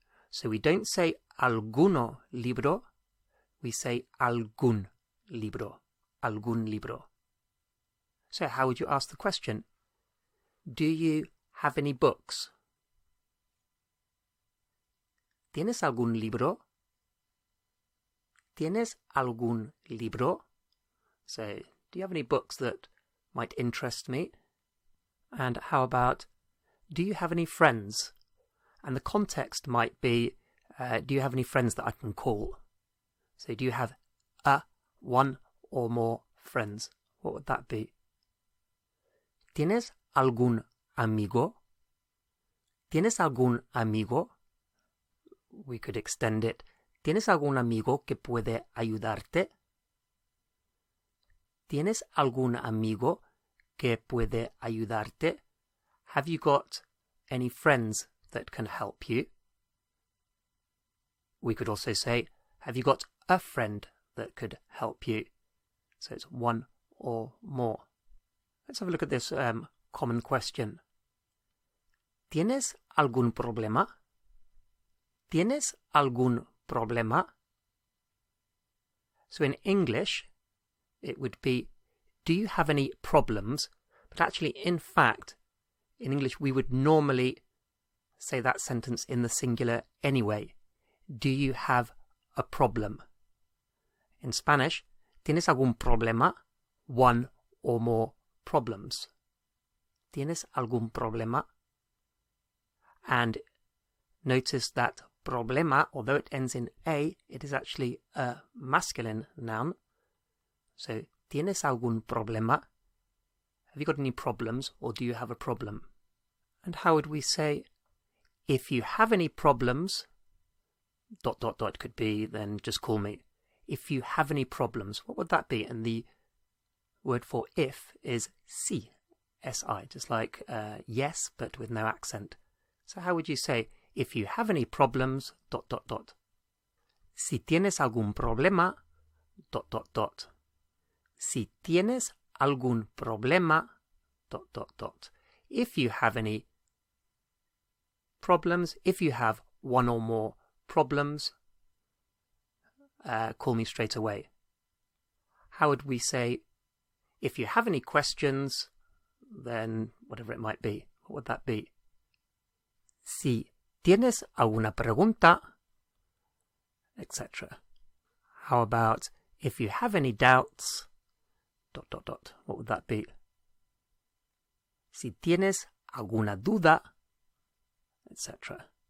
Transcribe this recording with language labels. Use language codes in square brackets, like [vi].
[en] So we don't say [es] alguno libro, [en] we say [es] algún libro, algún libro. [en] So how would you ask the question? Do you have any books? [es] ¿Tienes algún libro? ¿Tienes algún libro? [en] So, do you have any books that might interest me? And how about, do you have any friends? And the context might be, do you have any friends that I can call? So, do you have one or more friends? What would that be? [es] ¿Tienes algún amigo? ¿Tienes algún amigo? [en] We could extend it. [es] ¿Tienes algún amigo que puede ayudarte? ¿Tienes algún amigo que puede ayudarte? [en] Have you got any friends that can help you? We could also say, have you got a friend that could help you? So it's one or more. Let's have a look at this common question. [es] ¿Tienes algún problema? ¿Tienes algún problema? [en] So in English, it would be, do you have any problems? But actually, in fact, in English, we would normally say that sentence in the singular anyway. Do you have a problem? In Spanish, [es] ¿tienes algún problema? [en] One or more problems. [es] ¿Tienes algún problema? [en] And notice that problema, although it ends in A, it is actually a masculine noun. [es] So, ¿tienes algún problema? [en] Have you got any problems or do you have a problem? And how would we say, if you have any problems, dot, dot, dot could be, then just call me. If you have any problems, what would that be? And the word for if is si, S-I, just like yes, but with no accent. So how would you say, if you have any problems, dot, dot, dot. [es] Si tienes algún problema, [en] dot, dot, dot. [es] Si tienes algún problema, [en] dot, dot, dot. If you have any problems, if you have one or more problems, call me straight away. How would we say, if you have any questions, then whatever it might be, what would that be? [es] Si tienes alguna pregunta, etc. [en] How about, if you have any doubts, dot, dot, dot, what would that be? [es] Si tienes alguna duda, etc.